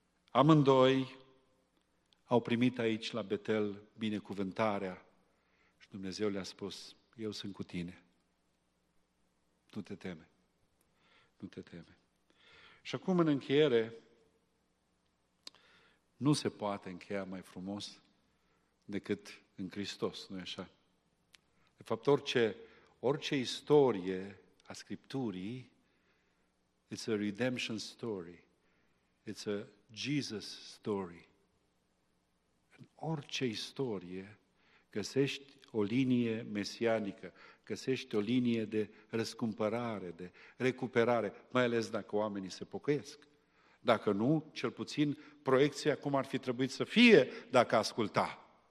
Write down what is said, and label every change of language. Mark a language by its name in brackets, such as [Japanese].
[Romanian] Amândoi au primit aici la Betel binecuvântarea și Dumnezeu le-a spus, eu sunt cu tine, nu te teme, nu te teme. Și acum în încheiere, nu se poate încheia mai frumos decât în Hristos, nu-i așa? De fapt, orice istorie a Scripturii, [English] it's a redemption story, it's a Jesus story. [Romanian] În orice istorie găsești o linie mesianică, găsești o linie de răscumpărare, de recuperare, mai ales dacă oamenii se pocăiesc. Dacă nu, cel puțin proiecția cum ar fi trebuit să fie dacă asculta.